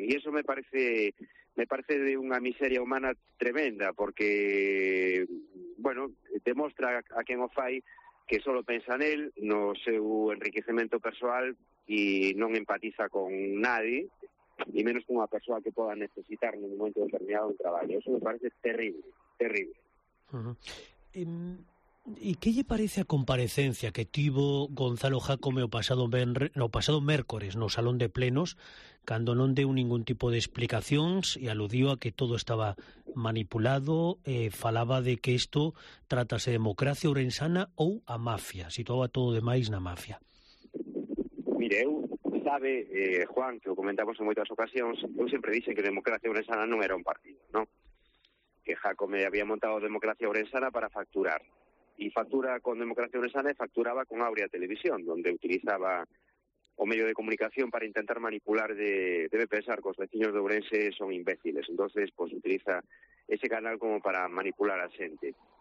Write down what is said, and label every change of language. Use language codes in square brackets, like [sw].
[gl] E eso me parece de unha miseria humana tremenda, porque, bueno, demostra a quen o fai que solo pensa en él, no seu enriquecemento personal e non empatiza con nadie, ni menos con unha persoa que poda necesitar en un momento determinado un traballo. Eso me parece terrible, terrible. Uh-huh. ¿Y qué lle parece a comparecencia que tivo Gonzalo Jácome o pasado mércores no Salón de Plenos, cando non deu ningún tipo de explicacións e aludiu a que todo estaba manipulado, falaba de que isto tratase de democracia ourensana ou a mafia, situaba todo demais na mafia? Mire, eu sabe, Juan, que o comentamos en moitas ocasións, eu sempre dixen que democracia ourensana non era un partido, ¿no? Que Jácome había montado democracia ourensana para facturar. [es] Y factura con Democracia Ourensana y facturaba con Áurea Televisión, donde utilizaba o medio de comunicación para intentar manipular debe pensar que los vecinos de Ourense son imbéciles. Entonces, pues utiliza ese canal como para manipular a xente.